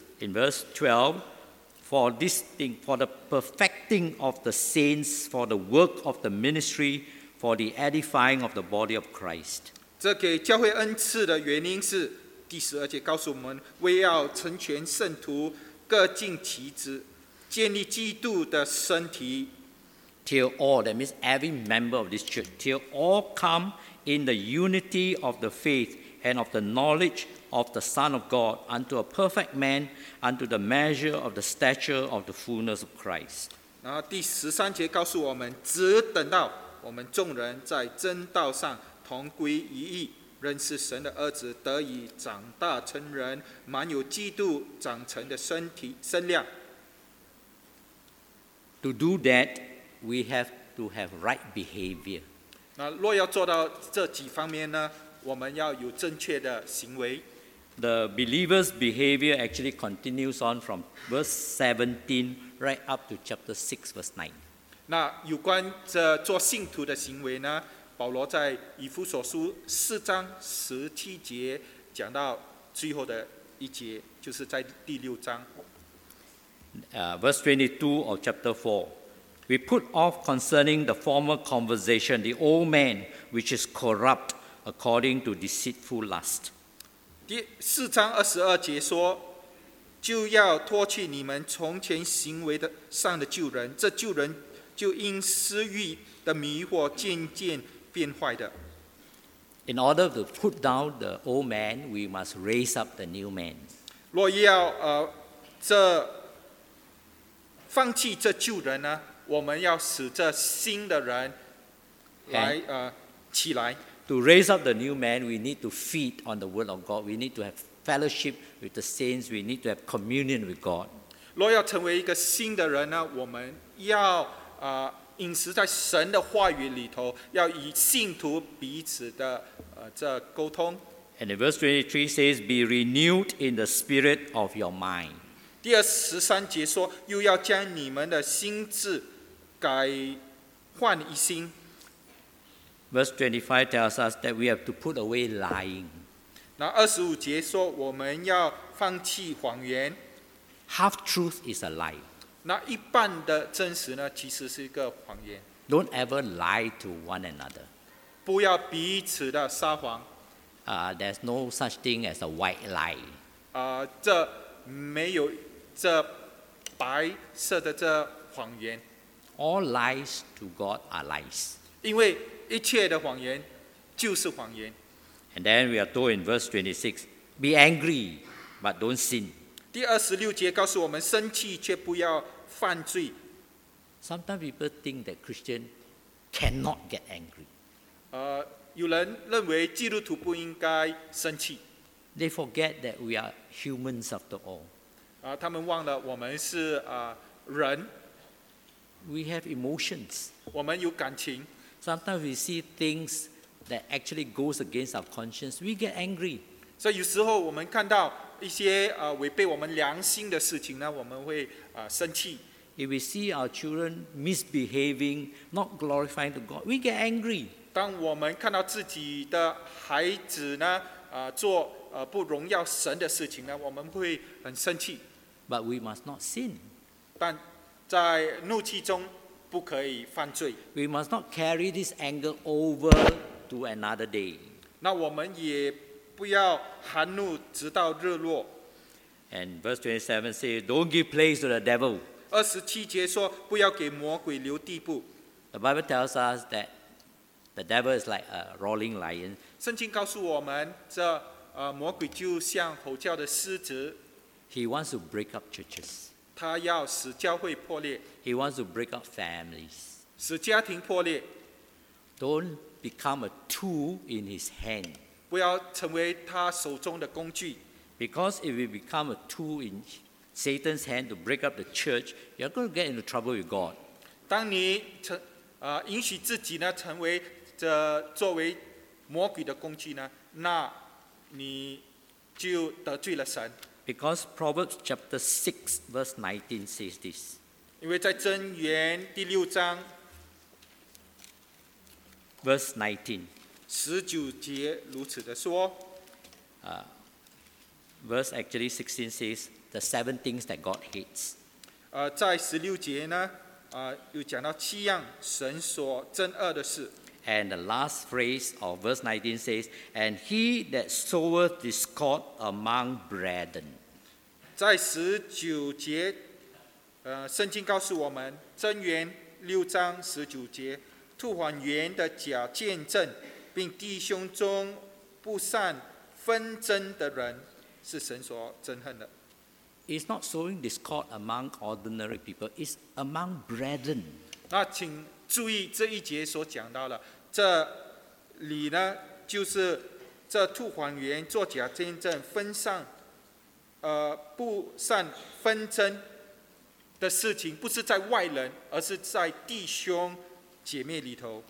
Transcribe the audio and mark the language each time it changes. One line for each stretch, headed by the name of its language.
English: In verse 12, for this thing, for the perfecting of the saints, for the work of the ministry, for the edifying of the body of Christ.
Chinese: 这给教会恩赐的原因是第十二节告诉我们，为要成全圣徒，各尽其职，建立基督的身体。
English: Till all, that means every member of this church, till all come in the unity of the faith and of the knowledge of the Son of God unto a perfect man, unto the measure of the stature of the fullness of Christ.
Chinese: 然后第十三节告诉我们，只等到我们众人在真道上同归于一，认识神的儿子，得以长大成人，满有基督长成的身体身量。
English: To do that,We have to have right behavior.
Chinese: 那若要做到这几方面呢，我们要有正确的行为。
English: The believer's behavior actually continues on from verse 17 right up to chapter 6, verse 9.
Chinese: 那有关这做信徒的行为呢，保罗在以弗所书四章十七节讲到最后的一节，就是在第六章。
English: Verse 22 of chapter 4. We put off concerning the former conversation, the old man, which is corrupt according to deceitful lust.
Chinese: 第四章二十二节说，就要脱去你们从前行为的上的旧人，这旧人就因私欲的迷惑渐渐变坏的。
English: In order to put down the old man, we must raise up the new man.
Chinese: 若要这放弃这旧人呢？我们要使这新的人来起来。
English: To raise up the new man, we need to feed on the word of God. We need to have fellowship with the saints. We need to have communion with God.
Chinese: 若要成为一个新的人呢，我们要饮食在神的话语里头，要与信徒彼此的这沟通。
English: And verse 23 says, "Be renewed in the spirit of your mind."
Chinese: 第二十三节说，又要将你们的心智改换一新。
English: Verse 25 tells us that we have to put away lying.
Chinese: 那二十五节说，我们要放弃谎言。
English: Half truth is a lie.
Chinese: 那一半的真实呢，其实是一个谎言。
English: Don't ever lie to one another.
Chinese: 不要彼此的撒谎。
English: There's no such thing as a white lie.
Chinese: 这没有这白色的这谎言。
English: All lies to God are lies.
Chinese: 因为一切的谎言就是谎言。
English: And then we are told in verse 26, be angry, but don't sin.
Chinese: 第二十六节告诉我们，生气却不要犯罪。
English: Sometimes people think that Christian cannot get angry.
Chinese: 有人认为基督徒不应该生气。
English: They forget that we are humans after all.
Chinese: 他们忘了我们是人。
English: We have emotions.
Chinese: 我们有感情。
English: Sometimes we see things that actually goes against our conscience. We get angry.
Chinese: 所以有时候我们看到一些违背我们良心的事情呢，我们会生气。
English: If we see our children misbehaving, not glorifying to God, we get angry.
Chinese: 当我们看到自己的孩子呢，做不荣耀神的事情呢，我们会很生气。
English: But we must not sin.
Chinese: 但在怒气中不可以犯罪。
English: We must not carry this anger over to another day.
Chinese: 那我们也不要含怒直到日落。
English: And verse 27 says, "Don't give place to the devil."
Chinese: 二十七节说，不要给魔鬼留地步。
English: The Bible tells us that the devil is like a roaring lion.
Chinese: 圣经告诉我们这。魔鬼就像吼叫的狮子。
English: He wants to break up churches.
Chinese: 他要使教会破裂。
English: He wants to break up families.
Chinese: 使家庭破裂。
English: Don't become a tool in his hand.
Chinese: 不要成为他手中的工具。
English: Because if you become a tool in Satan's hand to break up the church, you're going to get into trouble with God.
Chinese: 当你允许自己呢成为这作为魔鬼的工具呢，那你就得罪了神。
English: Because Proverbs chapter 6 verse 19 says this.
Chinese: 因为在箴言第六章
English: verse 19,
Chinese: 十九节如此的说。
English: Verse actually 16 says the seven things that God hates.
Chinese: 在十六节呢，又讲到七样神所憎恶的事。
English: And the last phrase of verse 19 says, "And he that soweth discord among brethren."
Chinese: 在十九节，圣经告诉我们，箴言六章十九节，吐谎言的假见证，并弟兄中不善纷争的人，是神所憎恨的。
English: It's not sowing discord among ordinary people; it's among brethren.
Chinese: 那请注意这一节所讲到了。这里呢，就是这吐谎言、作假见证、分散、不善纷争的事情，不是在外人，而是在弟兄姐妹里头。